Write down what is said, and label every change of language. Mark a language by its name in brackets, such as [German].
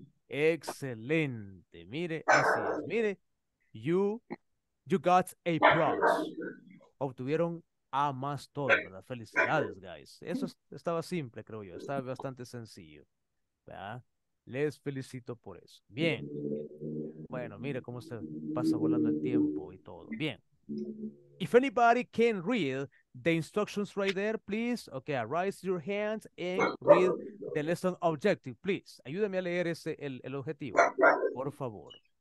[Spanish] Excelente. Mire, así es. Mire. [English] You got a plus. [Spanish] Obtuvieron A más todo, ¿verdad? Felicidades, guys. Eso estaba simple, creo yo. Estaba bastante sencillo, ¿verdad? Les felicito por eso. Bien. Bueno, mire cómo se pasa volando el tiempo y todo. Bien. [English] If anybody can read the instructions right there, please. Okay, raise your hands and read the lesson objective, please. [Spanish] Ayúdame a leer ese, el objetivo, por favor.